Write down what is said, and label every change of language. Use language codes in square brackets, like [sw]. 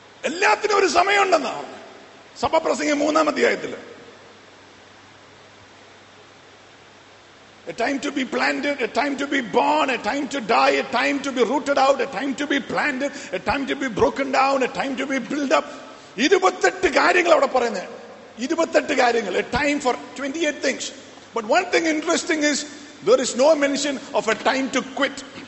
[ml] എല്ലാത്തിനും ഒരു സമയമുണ്ടെന്നാ സഭാപ്രസംഗി 3rd അധ്യായത്തില്. [en] A time to be planted, a time to be born, a time to die, a time to be rooted out, a time to be planted, a time to be broken down, a time to be built up. [ml] 28 കാര്യങ്ങൾ അവിടെ പറയുന്നത്, 28 കാര്യങ്ങൾ, [en] a time for 28 things. But one thing interesting is, there is no mention of a time to quit.